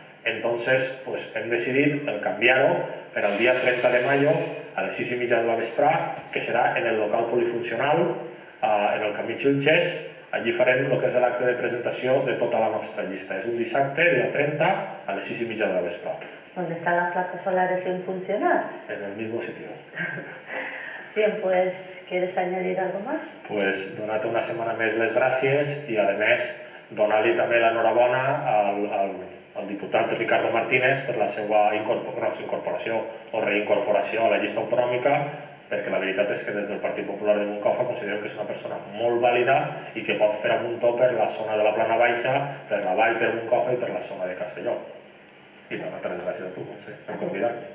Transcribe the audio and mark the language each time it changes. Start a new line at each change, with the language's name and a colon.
Catalan: Entonces, pues hem decidit canviar-ho per al dia 30 de maio a les 6 i mitja de la vesprà, que serà en el local polifuncional, en el camí Xilxes. Allí farem el que és l'acte de presentació de tota la nostra llista. És un dissabte, dia 30, a les 6 i mitja de la vesprà.
Spanish: On està la placa solar sin funcionar? En el mismo sitio. Bien, pues, ¿quieres añadir algo más?
Catalan: Pues, donar-te una setmana més les gràcies i, a més, donar-li també l'enhorabona al diputat Ricardo Martínez per la seva incorporació o reincorporació a la llista autonòmica, perquè la veritat és que des del Partit Popular de Moncofa considerem que és una persona molt vàlida i que pot fer a muntó per la zona de la Plana Baixa, per la vall de Moncofa i per la zona de Castelló. I donar-te les gràcies a tu, Montse, per convidar-me.